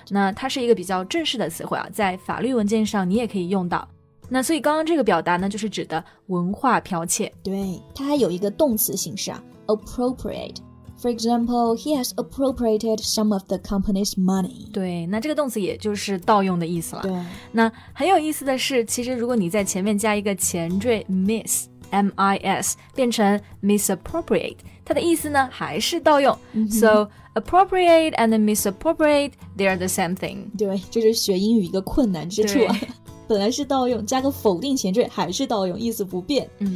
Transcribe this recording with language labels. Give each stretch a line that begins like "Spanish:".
Chinese: 那它是一个比较正式的词汇啊，在法律文件上你也可以用到。那所以刚刚这个表达呢就是指的文化剽窃。对，它还有一个动词形式啊， appropriate.
English: For example, he has appropriated some of the company's money.
Chinese: 对，那这个动词也就是盗用的意思了。对，那很有意思的是，其实如果你在前面加一个前缀 miss, M-I-S, 变成 misappropriate, 它的意思呢还是盗用。
English: So, appropriate and misappropriate, they are the same thing.
Chinese: 对，这就是学英语一个困难之处啊。本来是盗用，加个否定前缀还是盗用，意思不变。